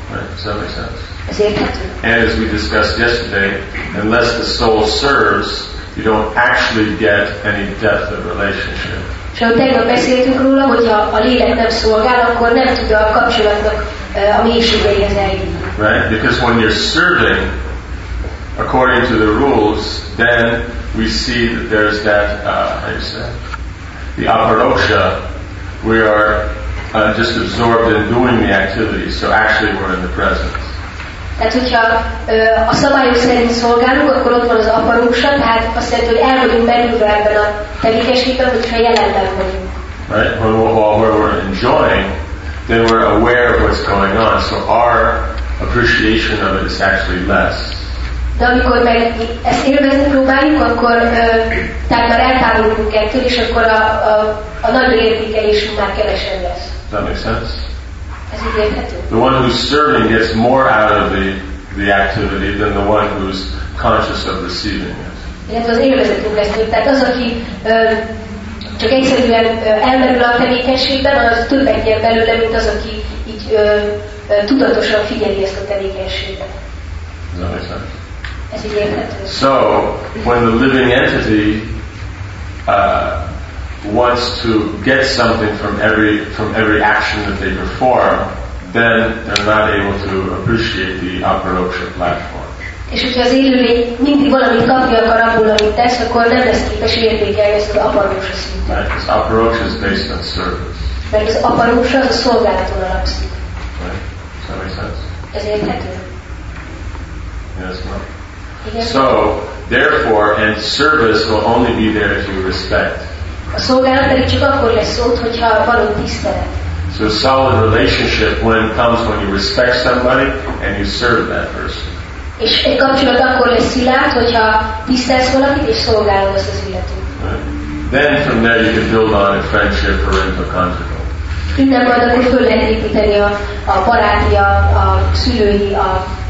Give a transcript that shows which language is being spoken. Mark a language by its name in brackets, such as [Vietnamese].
[English] Right, does that make sense? [Hungarian] Ezért. [English] And as we discussed yesterday, unless the soul serves, you don't actually get any depth of relationship. [Hungarian] És ahogy tegnap beszéltünk róla, hogyha a lélek nem szolgál, akkor nem tudja a kapcsolatnak a mélységeihez eljutni. [English] Right, because when you're serving, according to the rules, then we see that there's that, how you say, the aparosha, we are just absorbed in doing the activity, so actually we're in the presence. [Hungarian] Tehát, hogyha a szabályok szerint szolgálunk, akkor ott van az aparosha, tehát azt jelenti, hogy el vagyunk belülve ebben a tevékenységben, hogyha jelenben vagyunk. [English] Right, when we're enjoying, then we're aware of what's going on, so our appreciation of it is actually less. [Hungarian] De amikor meg ezt élvezni próbáljuk, akkor tehát már eltávolodunk ettől, és akkor a nagy értékelésünk már kevesebb lesz. [English] Does that make sense? [Hungarian] Ez így érthető. [English] The one who's serving gets more out of the activity than the one who's conscious of receiving it. [Hungarian] Ez az élvezetünk lesz, tehát az, aki csak egyszerűen elmerül a tevékenységben, az többet nyer belőle, mint az, aki így tudatosan figyeli ezt a tevékenységet. [English] Does that make sense? So, when the living entity wants to get something from every action that they perform, then they're not able to appreciate the aparoksha platform. [Hungarian] És hogyha az élőlény mindig valamit kapni akar abból, amit tesz, akkor nem lesz képes értékelni ezt az aparoksha szintet. [English] Because aparoksha is based on service. [Hungarian] Mert az aparoksha az a szolgálaton alapszik. [English] Right? Does that make sense? [Hungarian] Ez érthető? [English] Yes, ma'am. So, therefore, and service will only be there if you respect. [Hungarian] A szolgálat pedig csak akkor lesz ott, hogyha való tisztelet. [English] So a solid relationship when comes when you respect somebody and you serve that person. [Hungarian] És egy kapcsolat akkor lesz szilárd, hogyha tisztelsz valakit és szolgálod azt az illetőt. [English] Then from there you can build on a friendship or interconjugal. [Hungarian] Innen majd akkor föl lehet építeni a baráti, a szülői, a